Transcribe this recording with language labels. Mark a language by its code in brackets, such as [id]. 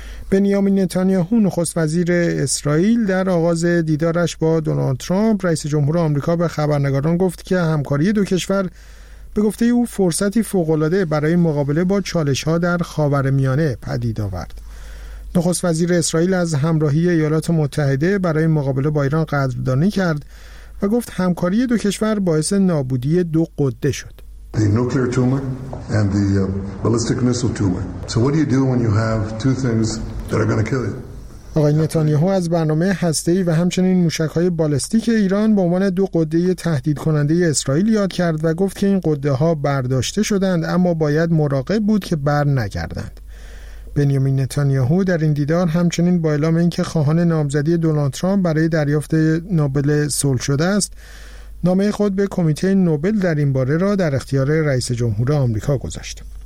[fa] بنیامین نتانیاهو نخست وزیر اسرائیل در آغاز دیدارش با دونالد ترامپ رئیس جمهور آمریکا به خبرنگاران گفت که همکاری دو کشور به گفته او فرصتی فوق‌العاده برای مقابله با چالش‌ها در خاورمیانه پدید آورد. نخست وزیر اسرائیل از همراهی ایالات متحده برای مقابله با ایران قدردانی کرد و گفت همکاری دو کشور باعث نابودی دو قده شد. [en] The nuclear tumor and the ballistic missile tumor. So what do you do when you have two things that are going to kill you? [fa] آقای نتانیاهو از برنامه هسته‌ای و همچنین موشک‌های بالستیک ایران به عنوان دو قده تهدیدکننده اسرائیل یاد کرد و گفت که این قده‌ها برداشته شدند اما باید مراقب بود که بر نگردند. بنیامین نتانیاهو در این دیدار همچنین با اعلام اینکه خواهان نامزدی دونالد ترامپ برای دریافت نوبل صلح شده است، نامه خود به کمیته نوبل در این باره را در اختیار رئیس جمهور آمریکا گذاشت.